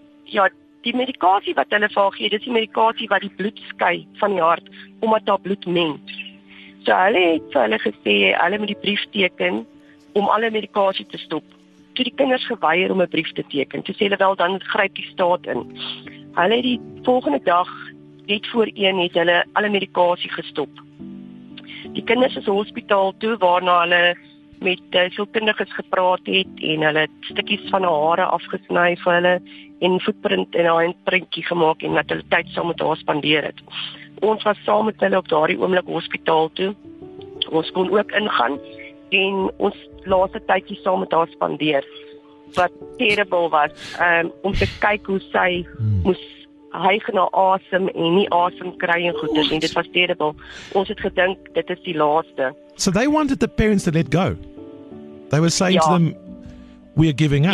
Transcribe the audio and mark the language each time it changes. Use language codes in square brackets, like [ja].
[af] Ja, die medikasie wat hulle vir gee, dis die medikasie wat die bloed skei van die hart, omdat daar bloed meng. So hulle het vir hulle gesê, hulle moet die brief teken om alle medikasie te stop. Toe die kinders geweier om 'n brief te teken, toe sê hulle wel, dan gryp die staat in. Hulle het die volgende dag, net voor 1, het hulle alle medikasie gestop. Die kinders is hospitaal toe, waarna hulle met sielkundiges gepraat het, en hulle het stikkies van hare afgesny vir hulle, en footprint en haar handprintjie gemaak, en dat hulle tyd saam met haar spandeer het. Ons was saam met hulle op daardie oomblik hospitaal toe. Ons kon ook ingaan en ons laaste tydjie saam met haar spandeer. Wat terrible was, om te kyk hoe sy moes hyg na asem en nie asem kry en goeders. En dit was terrible. Ons het gedink, dit is die laaste. [en] So they wanted the parents to let go. They were saying to them, we are giving up.